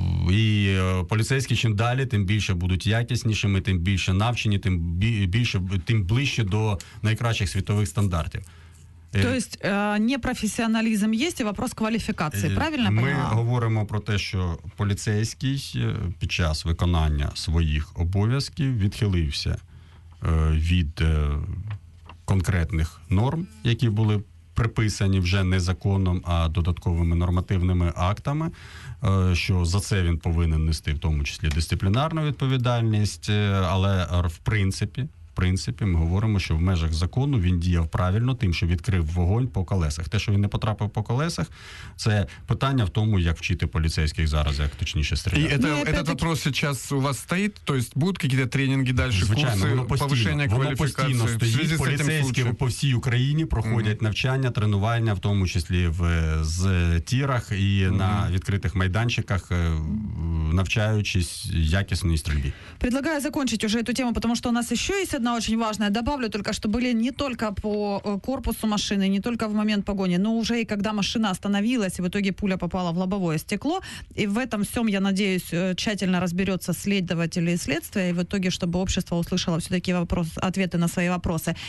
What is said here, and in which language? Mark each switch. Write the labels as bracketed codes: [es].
[uk] І поліцейські чим далі, тим більше будуть якіснішими, тим більше навчені, тим ближче до найкращих світових стандартів. [ru] То есть непрофессионализм есть и вопрос квалификации, правильно? [uk] Ми говоримо про те, що поліцейський під час виконання своїх обов'язків відхилився від конкретних норм, які були приписані вже не законом, а додатковими нормативними актами, що за це він повинен нести в тому числі дисциплінарну відповідальність, але в принципі, ми говоримо, що в межах закону він діяв правильно тим, що відкрив вогонь по колесах. Те, що він не потрапив по колесах, це питання в тому, як вчити поліцейських зараз, як точніше стріляти. І цей питання зараз у вас стоїть? Тобто будуть якісь тренінги далі, звичайно, курси, повищення кваліфікації? Воно постійно стоїть, поліцейські по всій Україні проходять навчання, тренування, в тому числі з тірах і на відкритих майданчиках, навчаючись якісній стрільбі. Предлагаю закінчити вже цю тему, тому що у нас ще є одна [ru] очень важная. Добавлю только, что были не только по корпусу машины, не только в момент погони, но уже и когда машина остановилась, и в итоге пуля попала в лобовое стекло. И в этом всем, я надеюсь, тщательно разберется следователь и следствие, и в итоге, чтобы общество услышало все-таки ответы на свои вопросы.